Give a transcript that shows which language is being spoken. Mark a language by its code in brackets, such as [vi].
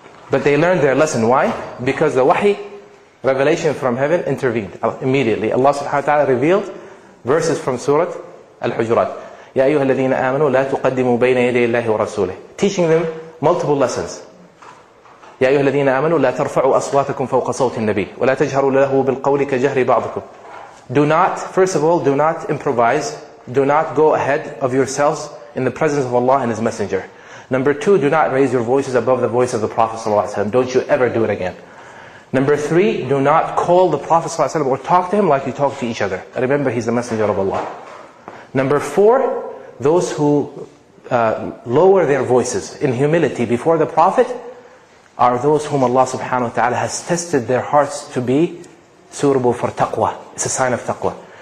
[en] But they learned their lesson. Why? Because the wahi, revelation from heaven, intervened immediately. Allah subhanahu wa ta'ala revealed verses from Surah Al-Hujurat. [ar] يَا أَيُّهَا الَّذِينَ آمَنُوا لَا تُقَدِّمُوا بَيْنَ يَدَيِ اللَّهِ وَرَسُولِهِ. [en] Teaching them multiple lessons. [ar] يا أيها الذين آمنوا لا ترفعوا أصواتكم فوق صوت النبي ولا تجهروا له بالقول كجهر بعضكم. [en] Do not, first of all, do not improvise. Do not go ahead of yourselves in the presence of Allah and His Messenger. Number two, do not raise your voices above the voice of the Prophet ﷺ. Don't you ever do it again. Number three, do not call the Prophet ﷺ or talk to him like you talk to each other. Remember, he's the Messenger of Allah. Number four, those who lower their voices in humility before the Prophet are those whom Allah subhanahu wa ta'ala has tested their hearts to be suitable for taqwa. It's a sign of taqwa.